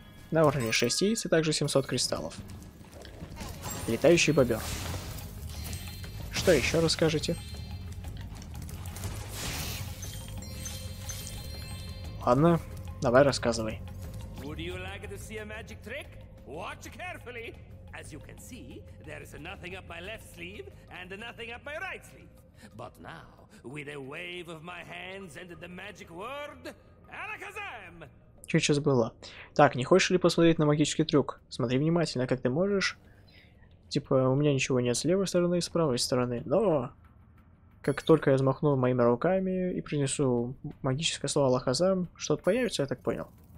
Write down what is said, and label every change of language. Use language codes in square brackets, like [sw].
[ru] На уровне 6 яиц и также 700 кристаллов. Летающий бобер. Что еще расскажете? Ладно, давай рассказывай. [en] Would you like to see a magic trick? Watch carefully. As you can see, there is nothing up my left sleeve and nothing up my right sleeve. But now, with a wave of my hands and the magic word, Alakazam! [ru] Чуть сейчас было. Так, не хочешь ли посмотреть на магический трюк? Смотри внимательно, как ты можешь. Типа, у меня ничего нет с левой стороны и с правой стороны, но... Как только я взмахну моими руками и принесу магическое слово Алахазам, что-то появится, я так понял.